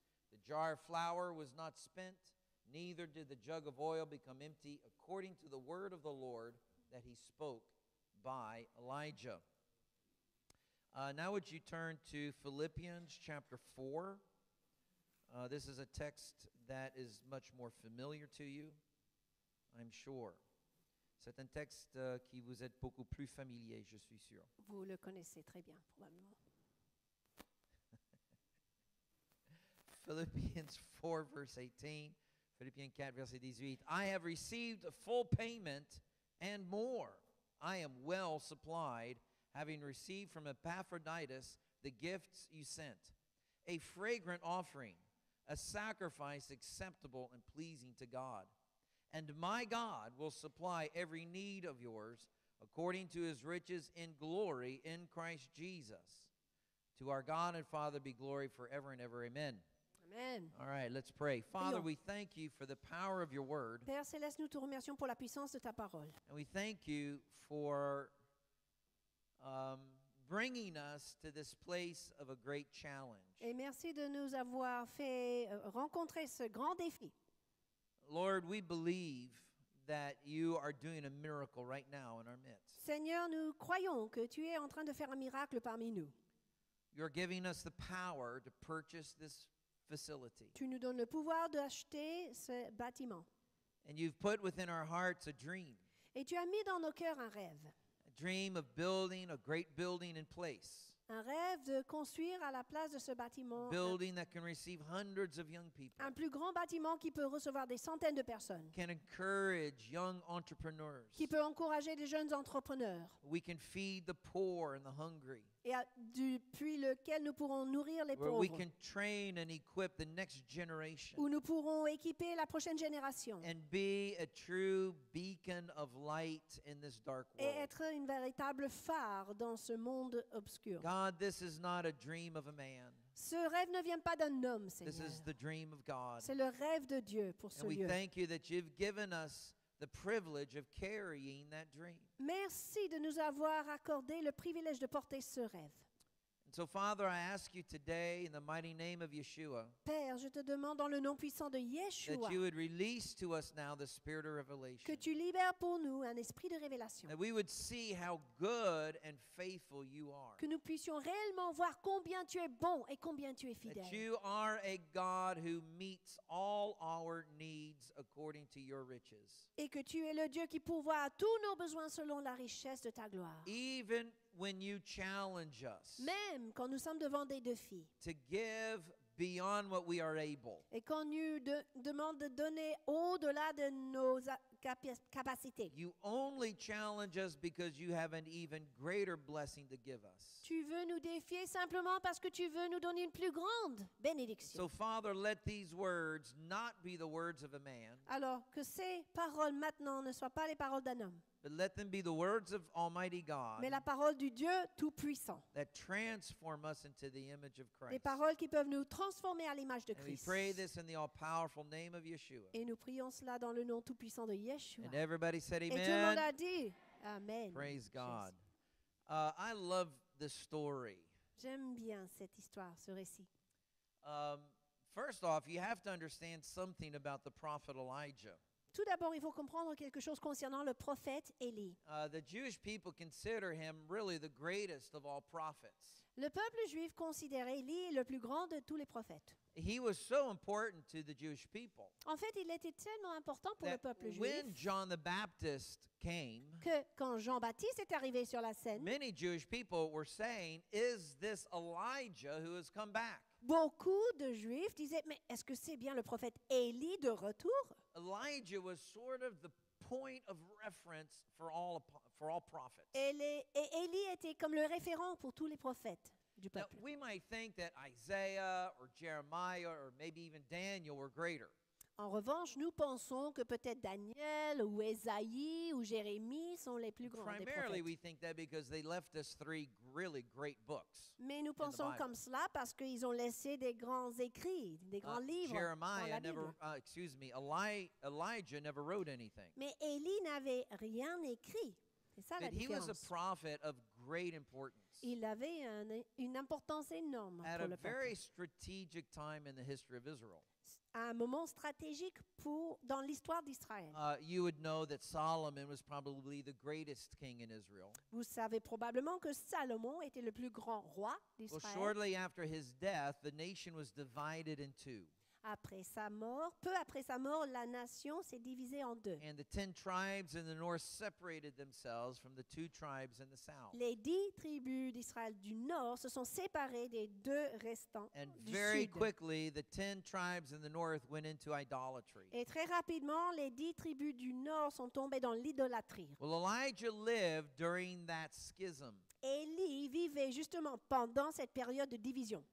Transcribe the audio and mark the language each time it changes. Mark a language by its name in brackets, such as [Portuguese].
[English] The jar of flour was not spent, neither did the jug of oil become empty, according to the word of the Lord that he spoke by Elijah. Now would you turn to Philippians chapter 4. This is a text that is much more familiar to you, I'm sure. [French] C'est un texte qui vous est beaucoup plus familier, je suis sûr. Vous le connaissez très bien, probablement. [English] Philippians 4, verse 18. Philippians 4, verse 18. "I have received full payment and more. I am well supplied, having received from Epaphroditus the gifts you sent, a fragrant offering, a sacrifice acceptable and pleasing to God. And my God will supply every need of yours according to his riches in glory in Christ Jesus. To our God and Father be glory forever and ever. Amen." Amen. All right, let's pray. Father, we thank you for the power of your word. [French] Père Céleste, nous te remercions pour la puissance de ta parole. [English] And we thank you for bringing us to this place of a great challenge. [French] Et merci de nous avoir fait rencontrer ce grand défi. [English] Lord, we believe that you are doing a miracle right now in our midst. [French] Seigneur, nous croyons que tu es en train de faire un miracle parmi nous. [English] You're giving us the power to purchase this facility. [French] Tu nous donnes le pouvoir d'acheter ce bâtiment. [English] And you've put within our hearts a dream. [French] Et tu as mis dans nos cœurs un rêve. [English] Dream of building a great building in place. [French] Un rêve de construire à la place de ce bâtiment. [English] Building that can receive hundreds of young people. [French] Un plus grand bâtiment qui peut recevoir des centaines de personnes. [English] Can encourage young entrepreneurs. [French] Qui peut encourager des jeunes entrepreneurs. [English] We can feed the poor and the hungry. [French] Et depuis lequel nous pourrons nourrir les pauvres. [English] Where we can train and equip the next generation. [French] Où nous pourrons équiper la prochaine génération. [English] And be a true beacon of light in this dark world. [French] Et être une véritable phare dans ce monde obscur. [English] God, this is not a dream of a man. [French] Ce rêve ne vient pas d'un homme, Seigneur. [English] This is the dream of God. [French] C'est le rêve de Dieu pour ce lieu. [English] And we thank you that you've given us the privilege of carrying that dream. [French] Merci de nous avoir accordé le privilège de porter ce rêve. [English] And so, Father, I ask you today, in the mighty name of Yeshua, [French] Père, je te demande dans le nom puissant de Yeshua, [English] that you would release to us now the spirit of revelation. [French] Que tu libères pour nous un esprit de révélation. [English] That we would see how good and faithful you are. [French] Que nous puissions réellement voir combien tu es bon et combien tu es fidèle. [English] That you are a God who meets all our needs according to your riches. [French] Et que tu es le Dieu qui pourvoit à tous nos besoins selon la richesse de ta gloire. [English] Even when you challenge us, [French] même quand nous sommes devant des défis, [English] to give beyond what we are able, [French] et quand tu demandes de donner au-delà de nos capacités, [English] you only challenge us because you have an even greater blessing to give us. [French] Tu veux nous défier simplement parce que tu veux nous donner une plus grande bénédiction. [English] So, Father, let these words not be the words of a man. [French] Alors que ces paroles maintenant ne soient pas les paroles d'un homme. [English] But let them be the words of Almighty God. [French] Mais la parole du Dieu tout-puissant. [English] That transform us into the image of Christ. [French] Les paroles qui peuvent nous transformer à l'image de Christ. [English] And we pray this in the all-powerful name of Yeshua. [French] Et nous prions cela dans le nom tout-puissant de Yeshua. [English] And everybody said amen. [French] Et tout le monde a dit amen. [English] Praise God. I love this story. [French] J'aime bien cette histoire, ce récit. [English] First off, you have to understand something about the prophet Elijah. [French] Tout d'abord, il faut comprendre quelque chose concernant le prophète Élie. [English] The Jewish people consider him really the greatest of all prophets. [French] Le peuple juif considère Élie le plus grand de tous les prophètes. [English] He was so important to the Jewish people. [French] En fait, il était tellement important pour le peuple juif. [English] When John the Baptist came, [French] que quand Jean-Baptiste est arrivé sur la scène, [English] many Jewish people were saying, "Is this Elijah who has come back?" [French] Beaucoup de Juifs disaient, mais est-ce que c'est bien le prophète Élie de retour? [English] Elijah was sort of the point of reference for all prophets. [French] Et Élie était comme le référent pour tous les prophètes du peuple. [English] Now, we might think that Isaiah or Jeremiah or maybe even Daniel were greater. [French] En revanche, nous pensons que peut-être Daniel ou Esaïe ou Jérémie sont les plus grands [English] primarily, [French] des prophètes. [English] Primarily, we think that because they left us three really great books. [French] Mais nous pensons comme cela parce qu'ils ont laissé des grands écrits, des grands livres dans la Bible. [English] Elijah never wrote anything. [French] Mais Élie n'avait rien écrit. C'est ça [English] But [French] la différence. [English] He was a prophet of great importance. [French] Il avait une importance énorme [English] at [French] pour [English] a very strategic time in the history of Israel. [French] À un moment stratégique pour dans l'histoire d'Israël. [English] You would know that Solomon was probably the greatest king in Israel. [French] Vous savez probablement que Salomon était le plus grand roi d'Israël. [English] Well, shortly after his death, the nation was divided in two. [French] Après sa mort, peu après sa mort, la nation s'est divisée en deux. [English] And the 10 tribes in the north separated themselves from the 2 tribes in the south. [French] Les 10 tribus d'Israël du nord se sont séparées des 2 restants du sud. [English] And very quickly, the 10 tribes in the north went into idolatry. [French] Et très rapidement, les 10 tribus du nord sont tombées dans l'idolâtrie. [English] Well, Elijah lived during that schism. [French] Élie vivait justement pendant cette période de division.